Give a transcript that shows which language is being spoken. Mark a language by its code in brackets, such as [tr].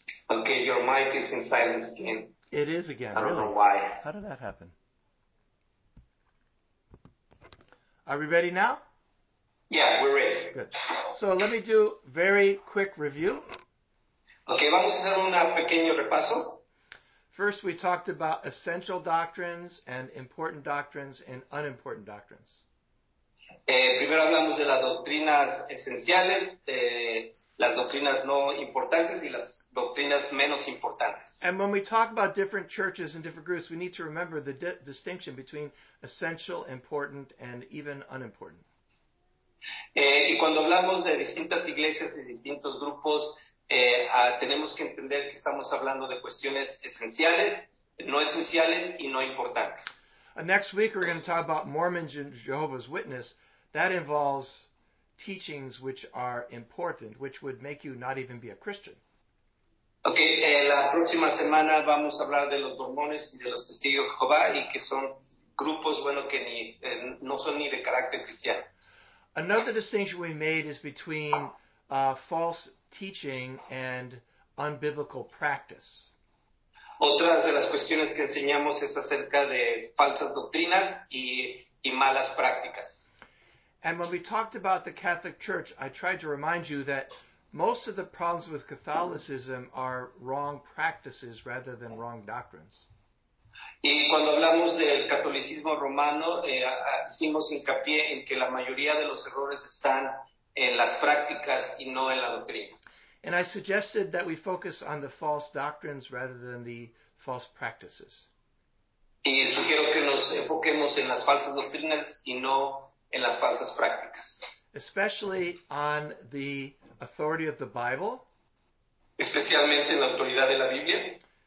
[en] okay, your mic is in silence again. It is again, really? I don't know why. How did that happen? Are we ready now? Yeah, we're ready. Good. So let me do very quick review. [es] Okay, vamos a hacer un pequeño repaso. [en] First, we talked about essential doctrines and important doctrines and unimportant doctrines. [es] Primero hablamos de las doctrinas esenciales, las doctrinas no importantes y las doctrinas menos importantes. [en] And when we talk about different churches and different groups, we need to remember the distinction between essential, important, and even unimportant. [es] Y cuando hablamos de distintas iglesias y distintos grupos, tenemos que entender que estamos hablando de cuestiones esenciales, no esenciales y no importantes. [en] Next week we're going to talk about Mormons and Jehovah's Witness. That involves teachings which are important, which would make you not even be a Christian. [es] Okay, la próxima semana vamos a hablar de los mormones y de los testigos de Jehová, y que son grupos, bueno, que ni, no son ni de carácter cristiano. [en] Another distinction we made is between false teaching and unbiblical practice. [es] Otra de las cuestiones que enseñamos es acerca de falsas doctrinas y malas prácticas. [en] And when we talked about the Catholic Church, I tried to remind you that most of the problems with Catholicism are wrong practices rather than wrong doctrines. [es] Y cuando hablamos del catolicismo romano, hicimos hincapié en que la mayoría de los errores están en las prácticas y no en la doctrina. [en] And I suggested that we focus on the false doctrines rather than the false practices. [es] Y sugiero que nos enfoquemos en las falsas doctrinas y no en las falsas prácticas. [en] Especially on the authority of the Bible. [es] Especialmente en la autoridad de la Biblia.